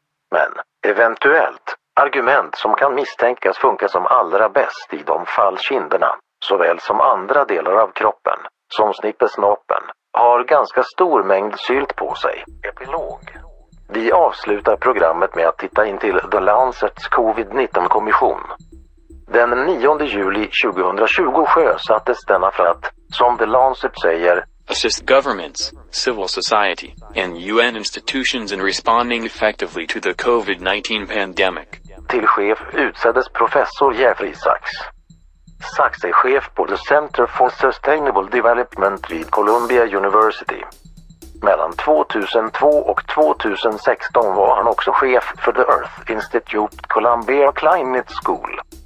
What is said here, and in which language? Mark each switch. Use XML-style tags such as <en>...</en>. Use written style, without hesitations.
<sv>Men eventuellt argument som kan misstänkas funka som allra bäst i de fall kinderna, såväl som andra delar av kroppen, som snippesnoppen, har ganska stor mängd sylt på sig. Epilog. Vi avslutar programmet med att titta in till The Lancets covid-19-kommission. Den 9 juli 2020 sjösattes denna för att, som The Lancet säger,</sv> <en>assist governments, civil society, and UN institutions in responding effectively to the covid-19 pandemic.</en> <sv>Till chef utsattes professor Jeffrey Sachs. Sachs är chef på The Center for Sustainable Development vid Columbia University. Mellan 2002 och 2016 var han också chef för The Earth Institute Columbia Climate School.</sv>